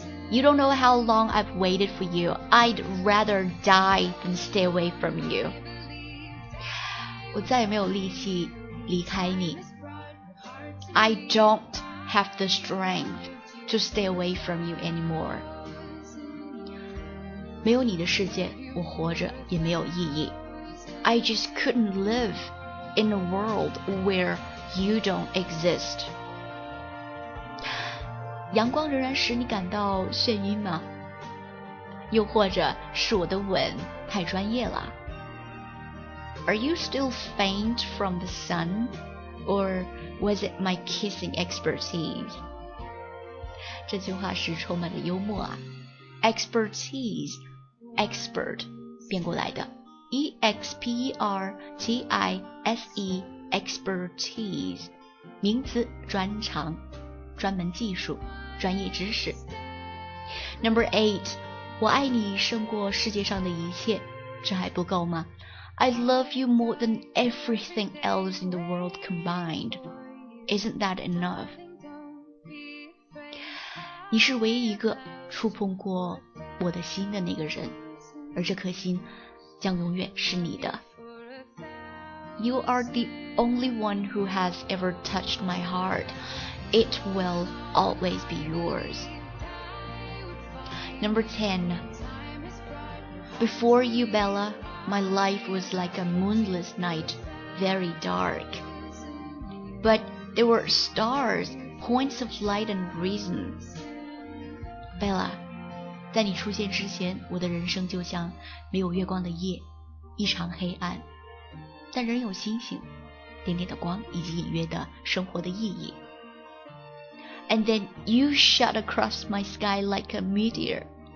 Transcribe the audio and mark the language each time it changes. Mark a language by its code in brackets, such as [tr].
[en] You don't know how long I've waited for you. I'd rather die than stay away from you. [zh] 我再也没有力气离开你。 [en] I don't. Have the strength to stay away from you anymore. [zh] 没有你的世界，我活着也没有意义。 [en] I just couldn't live in a world where you don't exist. [zh] 阳光仍然使你感到眩晕吗？又或者是我的吻太专业了？ [en] Are you still faint from the sun? Or was it my kissing expertise? [zh] 这句话是充满了幽默啊。 [en] Expertise, expert, [zh] 变过来的。 [en] E-X-P-E-R-T-I-S-E, expertise, [zh] 名词专长、专门技术、专业知识。 [en] Number eight, [zh] 我爱你胜过世界上的一切，这还不够吗？ [en] I love you more than everything else in the world combined. Isn't that enough? [zh] 你是唯一一个触碰过我的心的那个人，而这颗心将永远是你的。 [en] You are the only one who has ever touched my heart. It will always be yours. Number 10. Before you, Bella,My life was like a moonless night, very dark. But there were stars, points of light and reason. [zh] Bella, 在你出现之前，我的人生就像没有月光的夜，一场黑暗。但仍有星星，点点的光，以及隐约的生活的意义。 [en] And then you shot across my sky like a meteor.